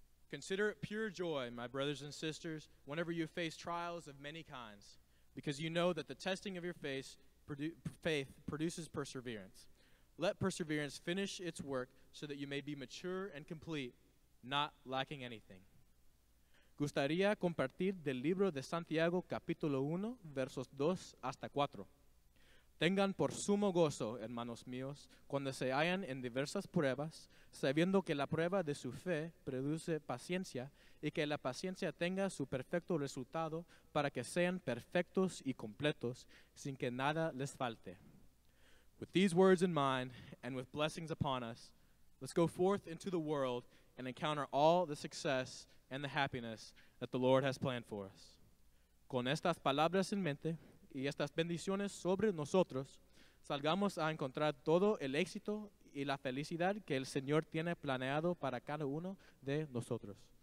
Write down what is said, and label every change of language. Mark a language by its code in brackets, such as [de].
[en] Consider it pure joy, my brothers and sisters, whenever you face trials of many kinds, because you know that the testing of your faith produces perseverance. Let perseverance finish its work so that you may be mature and complete, not lacking anything. [es] Gustaría compartir del libro de Santiago, capítulo 1, versos 2 hasta 4. Tengan por sumo gozo, hermanos míos, cuando se hallan en diversas pruebas, sabiendo que la prueba de su fe produce paciencia y que la paciencia tenga su perfecto resultado para que sean perfectos y completos sin que nada les falte. [en] With these words in mind and with blessings upon us, let's go forth into the world and encounter all the success and the happiness that the Lord has planned for us. [es] Con estas palabras en mente, y estas bendiciones sobre nosotros, salgamos a encontrar todo el éxito y la felicidad que el Señor tiene planeado para cada uno de nosotros.